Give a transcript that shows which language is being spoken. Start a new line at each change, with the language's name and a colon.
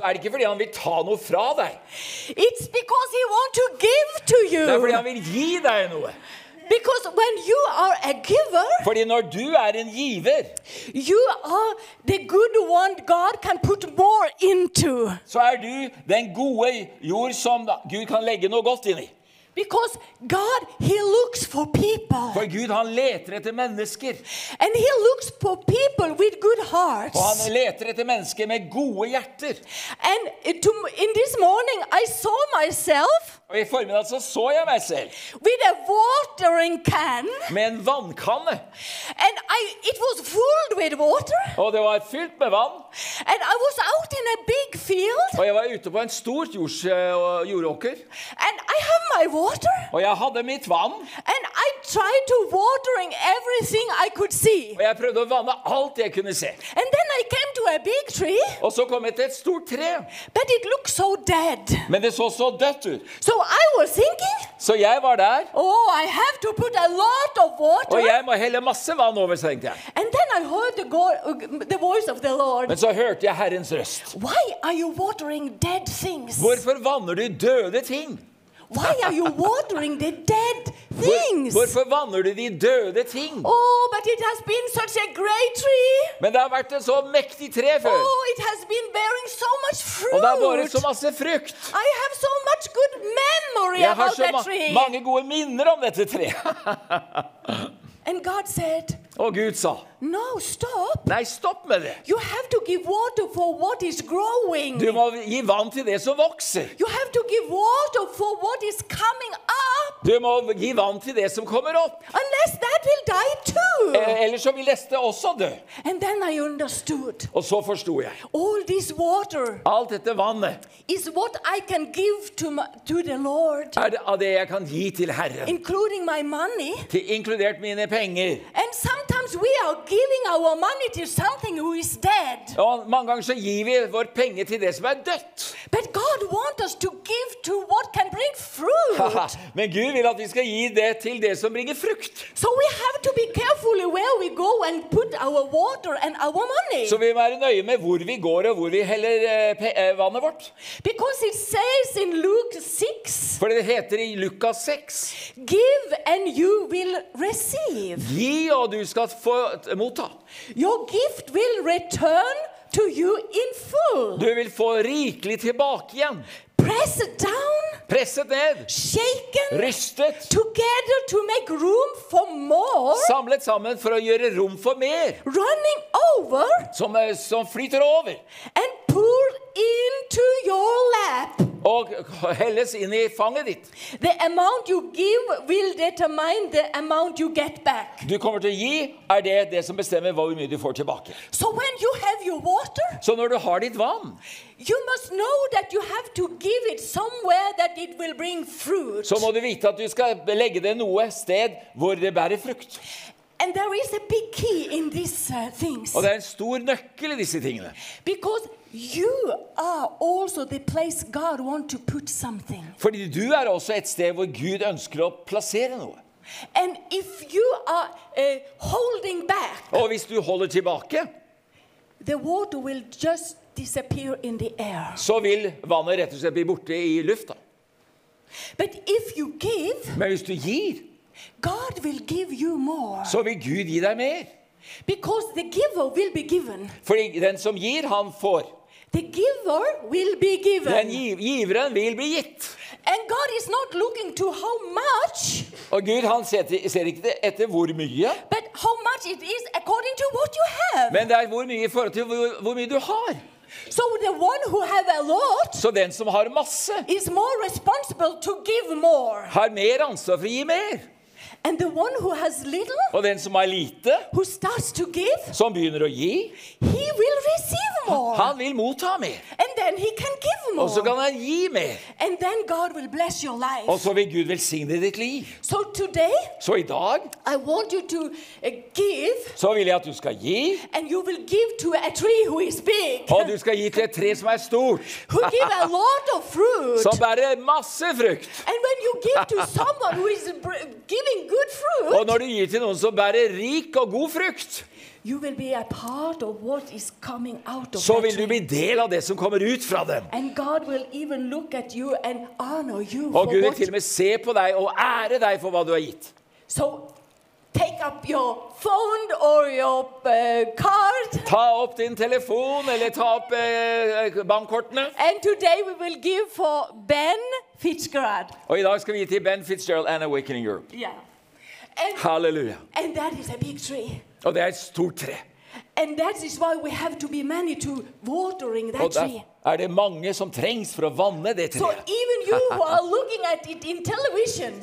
Norwegian: Er det ikke fordi han vil ta noe fra deg?
English: It's because he wants to give to you.
Norwegian: Det fordi han vil gi deg noe.
English: Because when you are a giver,
Norwegian: fordi når du en giver,
English: you are the good one God can put more into.
Norwegian: Så du den gode jord som Gud kan legge noe godt inn I.
English: Because God, he looks for people.
Norwegian: For Gud, han leter etter mennesker.
English: And he looks for people with good hearts.
Norwegian: Og han leter etter mennesker med gode hjerter.
English: And in this morning, I saw myself.
Norwegian: Og I formiddag så jeg meg selv.
English: With a watering can.
Norwegian: Med en vannkanne.
English: And it was full with water.
Swedish: Och det var fyllt med vatten.
English: And I was out in a big field.
Swedish: Och jag var ute på en stor jordåker.
English: And I have my water.
Swedish: Och jag hade mitt vatten.
English: And I tried to watering everything I could see.
Swedish: Och jag prövade att vattna allt jag kunde se.
English: And then I came to a big tree.
Swedish: Och så kom jag till ett stort trä.
English: But it looked so dead.
Swedish: Men det så dött ut.
English: So I was thinking.
Swedish: Så jag var där.
English: Oh, I have to put a lot of water.
Swedish: Och jag må hälla massa vatten över sig, tänkte jag.
English: And then I heard the voice of the Lord.
Swedish: Men så hörde jag Herrens röst.
English: Why are you watering dead things?
Swedish: Varför vattnar du döda ting?
English: Why are you watering the dead things?
Swedish: Varför vattnar du de döda ting?
English: Oh, but it has been such a great tree.
Swedish: Men det har varit en så mäktig trä för.
English: Oh, it has been bearing so much fruit.
Swedish: Och det har varit så massa frukt.
English: I have so much good memory about that tree.
Swedish: Jag har så många goda minnen om detta trä.
English: And God said.
Swedish: Och Gud sa.
English: No, stop.
Swedish: Nej, stopp med det.
English: You have to give water for what is growing.
Swedish: Du måste ge vatten till det som växer.
English: You have to give water for what is coming up.
Swedish: Du måste ge vatten till det som kommer upp.
English: Unless that will die too.
Swedish: Eller så vill det också dö.
English: And then I understood.
Swedish: Och så förstod jag.
English: All this water.
Swedish: Allt detta vatten.
English: Is what I can give to the Lord.
Swedish: Är det jag kan ge till Herren.
English: Including my money.
Swedish: Till inkluderat mina pengar.
English: And sometimes we are giving our money to something who is dead.
Swedish: Ja, många gånger så ger vi vår pengar till det som är dött.
English: But God wants us to give to what can bring fruit.
Swedish: Men Gud vill att vi ska ge det till det som bringer frukt.
English: So we have to be careful where we go and put our water and our money.
Swedish: Så vi måste vara nöje med var vi går och var vi häller vattnet vårt.
English: Because it says in Luke 6.
Swedish: För det heter i Lukas 6.
English: Give and you will receive.
Swedish: Ge och du ska få motta.
English: Your gift will return to you in full.
Swedish: Du vill få rikligt tillbaka igen.
English: Press it down.
Norwegian: Presset ned.
English: Shaken.
Norwegian: Rystet.
English: Together to make room for more.
Swedish: Samlet sammen för att göra rum för mer.
English: Running over.
Swedish: Som flyter över.
English: And pour into your lap.
Swedish: Och hälls in I fanget ditt.
English: The amount you give will determine the amount you get back.
Swedish: Du kommer att ge är det som bestämmer vad mycket du får tillbaka.
English: So when you have your water.
Swedish: Så när du har ditt vatten.
English: You must know that you have to give it somewhere that it will bring fruit.
Swedish: Så måste du veta att du ska lägga det någonstans där det bär frukt.
English: And there is a big key in these things.
Swedish: Och det är en stor nyckel I dessa tingene.
English: Because you are also the place God wants to put something.
Swedish: För du är också ett ställe där Gud önskar att placera något.
English: And if you are holding back.
Swedish: Och hvis du håller tillbaka.
English: The water will just disappear in the air.
Swedish: Så vill vattnet rätt och slett bli borta I luften.
English: But if you give.
Swedish: Men hvis du ger.
English: God will give you more.
Swedish: Så vill Gud ge dig mer.
English: Because the giver will be given.
Swedish: För den som ger han får.
English: The giver will be given.
Swedish: Den givaren vill bli gitt.
English: And God is not looking to how much.
Swedish: Och Gud han ser inte efter hur mycket.
English: But how much it is according to what you have.
Swedish: Men det är hur mycket för att hur mycket du har.
English: So the one who have a lot.
Swedish: Så den som har massa.
English: Is more responsible to give more.
Swedish: Har mer ansvar för att ge mer.
English: And the one who has little,
Swedish: och den som har lite,
English: who starts to give,
Swedish: som begynner att ge,
English: he will receive more.
Swedish: Han vill motta mer.
English: And then he can give more.
Swedish: Och så kan han ge mer.
English: And then God will bless your life.
Swedish: Och så vill Gud välsigna ditt liv.
English: So today,
Swedish: så idag,
English: I want you to give.
Swedish: Så vill jag att du ska ge.
English: And you will give to a tree who is big.
Swedish: Och du ska ge till ett tre som är stort.
English: Who give a lot of fruit.
Swedish: Som bär massa frukt.
English: And when you give to someone who is giving. Good fruit.
Swedish: Och när du ger till någon så bär det rik och god frukt.
English: You will be a part of what is coming out of.
Swedish: Så vill du bli del av det som kommer ut från dem.
English: And God will even look at you and honor you.
Swedish: Och Gud vill till och med se på dig och ära dig för vad du har gett.
English: So take up your phone or your card.
Swedish: Ta upp din telefon eller ta upp bankkorten.
English: And today we will give for Ben Fitzgerald.
Swedish: Och idag ska vi ge till Ben Fitzgerald and Awakening Europe.
English: Yeah. And, hallelujah. And that is a big tree.
Swedish: Och det är ett stort trä.
English: And that is why we have to be many to watering that tree.
Swedish: Är det många som trängs för att vattna det trä?
English: So even you who are looking at it in television.